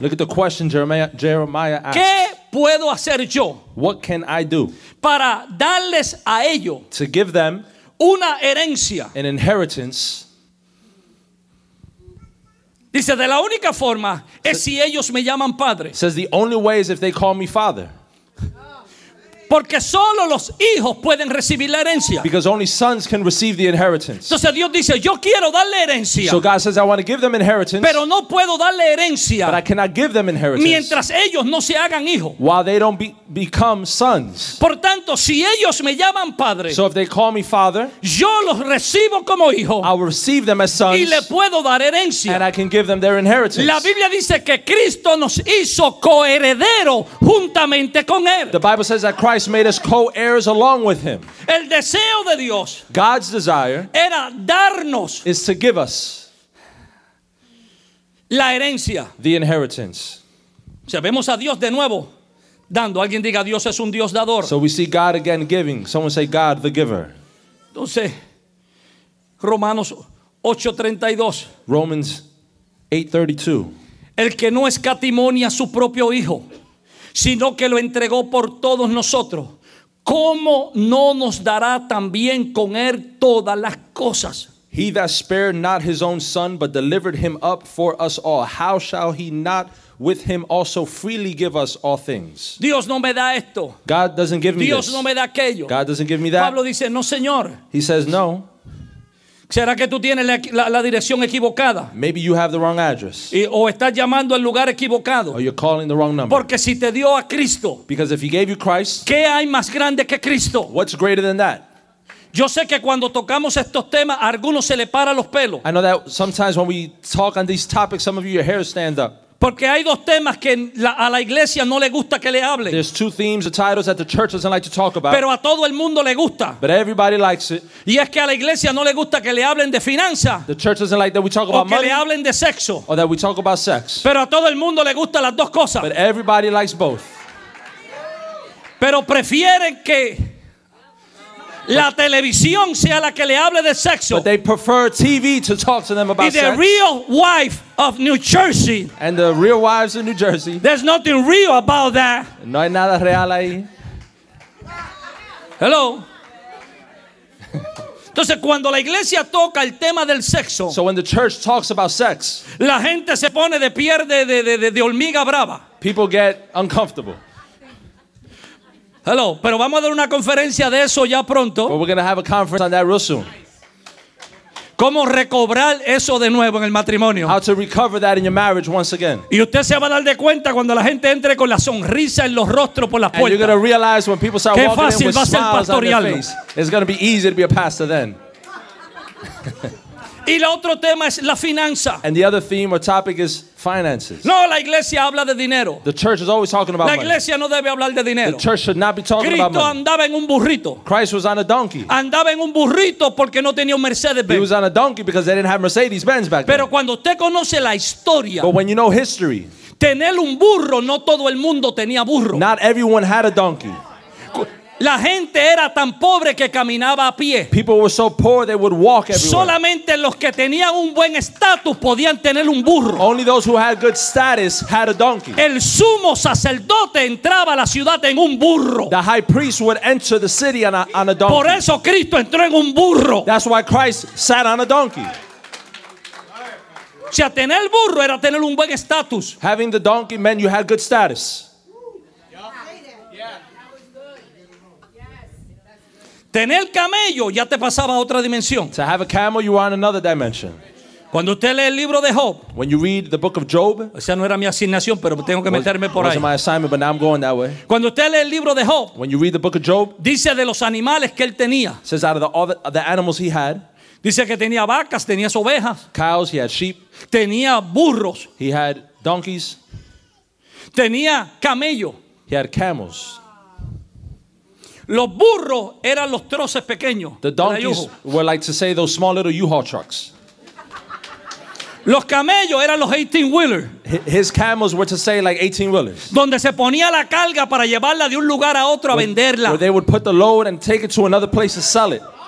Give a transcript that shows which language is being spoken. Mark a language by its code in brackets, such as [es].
[en] Look at the question Jeremiah asks. [es] ¿Qué puedo hacer yo? [en] What can I do? [es] Para darles a ellos. [en] To give them. [es] Una herencia. [en] An inheritance. [es] Dice, de la única forma es si ellos me llaman padre. [en] Says, the only way is if they call me father. [es] Porque solo los hijos pueden recibir la herencia. [en] Because only sons can receive the inheritance. [es] Entonces Dios dice, yo quiero darle herencia. [en] So God says, I want to give them inheritance. [es] Pero no puedo darle herencia. [en] But I cannot give them inheritance. [es] Mientras ellos no se hagan hijos. [en] While they don't become sons. [es] Por tanto, si ellos me llaman padre. [en] So if they call me father. [es] Yo los recibo como hijo. [en] I will receive them as sons. [es] Y le puedo dar herencia. [en] And I can give them their inheritance. [es] La Biblia dice que Cristo nos hizo coheredero juntamente con él. [en] The Bible says that Christ made us co-heirs along with him. [es] El deseo de Dios, [en] God's desire, [es] era darnos, [en] is to give us [es] la herencia, [en] the inheritance. [es] Si vemos a Dios de nuevo dando, alguien diga, Dios es un Dios dador. [en] So we see God again giving. Someone say God the giver. [es] Entonces, Romanos 8:32. [en] Romans 8:32. [es] El que no escatimó ni a su propio hijo, sino que lo entregó por todos nosotros, ¿cómo no nos dará también con él todas las cosas? [en] He that spared not his own son, but delivered him up for us all, how shall he not with him also freely give us all things? [es] Dios no me da esto. [en] God doesn't give me [es] Dios [en] this. [es] Dios no me da aquello. [en] God doesn't give me that. [es] Pablo dice, no, señor. [en] He says, no. [es] ¿Será que tú tienes la dirección equivocada? [en] Maybe you have the wrong address. [es] O estás llamando al lugar equivocado. [en] Or you're calling the wrong number. [es] Porque si te dio a Cristo. [en] Because if he gave you Christ. [es] ¿Qué hay más grande que Cristo? [en] What's greater than that? [es] Yo sé que cuando tocamos estos temas, a algunos se le para los pelos. [en] I know that sometimes when we talk on these topics, some of you, your hair stand up. [es] Porque hay dos temas que a la iglesia no le gusta que le hable. [en] There's two themes or titles that the church doesn't like to talk about. [es] Pero a todo el mundo le gusta. [en] But everybody likes it. [es] Y es que a la iglesia no le gusta que le hablen de finanzas. [en] The church doesn't like that we talk about money. [es] O que le hablen de sexo. [en] Or that we talk about sex. [es] Pero a todo el mundo le gusta las dos cosas. [en] But everybody likes both. [es] Pero prefieren que la televisión sea la que le hable de sexo. [en] But they prefer TV to talk to them about sex. Y the real wife of New Jersey. And the real wives of New Jersey. There's nothing real about that. [es] No hay nada real ahí. [en] Hello. [es] Entonces cuando la iglesia toca el tema del sexo. [en] So when the church talks about sex. [es] La gente se pone de pie de hormiga brava. [en] People get uncomfortable. [es] Hello, pero vamos a dar una conferencia de eso ya pronto. [en] But we're going to have a conference on that real soon. [es] ¿Cómo recobrar eso de nuevo en el matrimonio? [en] How to recover that in your marriage once again. [es] Y usted se va a dar de cuenta cuando la gente entre con la sonrisa en los rostros por las puertas. [en] And you're going to realize when people start [es] qué [en] walking in with smiles [es] pastorearlo [en] on their face. It's going to be easy to be a pastor then. [es] Y el otro tema es la finanza. [en] And the other theme or topic is finances. [es] No, la iglesia habla de dinero. [en] The church is always talking about [es] money. La iglesia [en] money. [es] No debe hablar de dinero. [en] The church should not be talking [es] Cristo [en] about money. [es] Cristo andaba en un burrito. [en] Christ was on a donkey. [es] Andaba en un burrito porque no tenía un Mercedes-Benz. [en] He was on a donkey because they didn't have Mercedes-Benz back [es] Pero [en] then. [es] Cuando usted conoce la historia. [en] But when you know history. [es] Tener un burro, no todo el mundo tenía burro. [en] Not everyone had a donkey. [es] La gente era tan pobre que caminaba a pie. [en] People were so poor they would walk everywhere. [es] Solamente los que tenían un buen estatus podían tener un burro. [en] Only those who had good status had a donkey. [es] El sumo sacerdote entraba a la ciudad en un burro. [en] The high priest would enter the city on a donkey. [es] Por eso Cristo entró en un burro. [en] That's why Christ sat on a donkey. [es] Si a tener el burro era tener un buen estatus. [en] Having the donkey meant you had good status. [es] Tener camello ya te pasaba a otra dimensión. [en] To have a camel, you are in another dimension. [es] Cuando usted lee el libro de Job. [en] When you read the book of Job. [es] O sea, no era mi asignación, pero tengo que meterme por ahí. [en] Wasn't my assignment, but now I'm going that way. [es] Cuando usted lee el libro de Job. [en] When you read the book of Job. [es] Dice de los animales que él tenía. [en] Says out of the animals he had. [es] Dice que tenía vacas, tenía ovejas. [en] Cows, he had sheep. [es] Tenía burros. [en] He had donkeys. [es] Tenía camello. [en] He had camels. [es] Los burros eran los troces pequeños. [en] The donkeys were like to say those small little U-Haul trucks. [es] Los camellos eran los 18-wheelers. [en] His camels were to say like 18-wheelers. [es] Donde se ponía la carga para llevarla de un lugar a otro a venderla. [en] Where they would put the load and take it to another place to sell it.